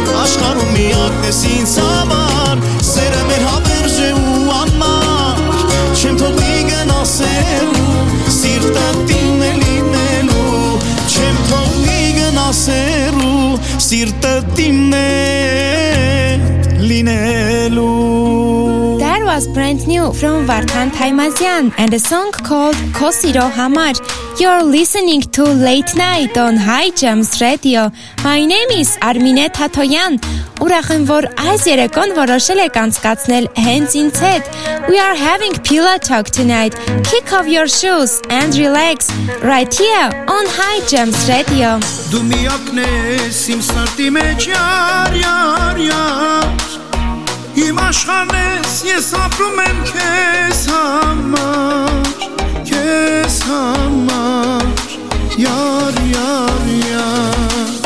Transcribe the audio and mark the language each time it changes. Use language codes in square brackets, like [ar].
[hy] աշխարհում միակն ես ինձ համար, սերը մեր հավերժ է ու անմար, չեմ թողնի գնաս հեռու, սիրտը դիմն է լինելու, չեմ թողնի գնաս հեռու, սիրտը դիմն է լինելու. [en] That was brand new from Vartan Taymazian and a song called Kosiro Hamar. You're listening to Late Night on High Jams Radio. My name is Armine Tatoyan. [hy] Ուրախ եմ, որ այս երեկոն որոշել եք անցկացնել հենց ինձ հետ. [en] We are having pillow talk tonight. Kick off your shoes and relax right here on High Jams Radio. [hy] Դու միակն ես իմ սրտի մեջ, յար, յար, յար, իմ աշխարհն ես, ես ապրում եմ քեզ համար, քեզ համար, յար, յար, յար.